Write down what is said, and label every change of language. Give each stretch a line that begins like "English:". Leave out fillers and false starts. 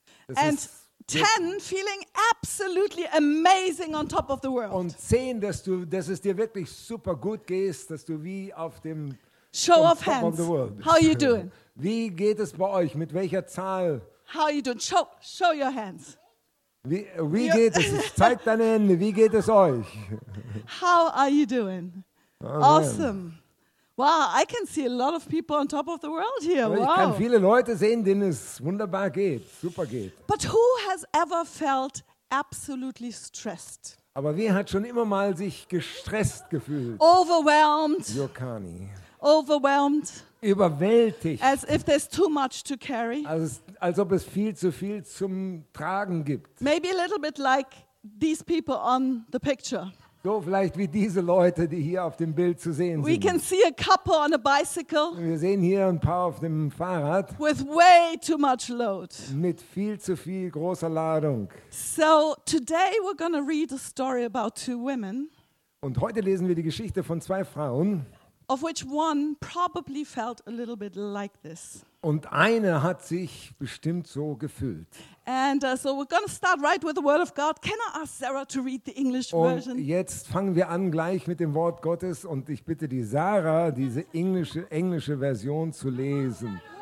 English: Das and 10 feeling absolutely amazing on top of the world.
German: Und 10, dass es dir wirklich super gut geht, dass du wie auf dem
English: Show of hands. How are you doing?
German: Wie geht es bei euch? Mit welcher Zahl?
English: How are you doing? Show your hands.
German: Wie geht es? Zeigt deine Hände. Wie geht es euch?
English: How are you doing? Oh, awesome. Man. Wow, I can see a lot of people on top of the world here.
German: Ich wow. kann viele Leute sehen, denen es wunderbar geht, super geht.
English: But who has ever felt absolutely stressed?
German: Aber wer hat schon immer mal sich gestresst gefühlt?
English: Overwhelmed. Yokani. Overwhelmed.
German: Überwältigt.
English: As if there's too much to carry.
German: Als ob es viel zu viel zum Tragen gibt.
English: Maybe a little bit like these people on the picture.
German: So vielleicht wie diese Leute, die hier auf dem Bild zu sehen sind.
English: We can see a couple on a bicycle.
German: Wir sehen hier ein paar auf dem Fahrrad.
English: With way too much load.
German: Mit viel zu viel großer Ladung.
English: So today we're going to read a story about two women.
German: Und heute lesen wir die Geschichte von zwei Frauen.
English: Of which one probably felt a little bit like this.
German: Und eine hat sich bestimmt so gefühlt.
English: And so we're going to start right with the word of God. Can I ask Sarah to read the English version?
German: Und jetzt fangen wir an gleich mit dem Wort Gottes und ich bitte die Sarah, diese englische Version zu lesen.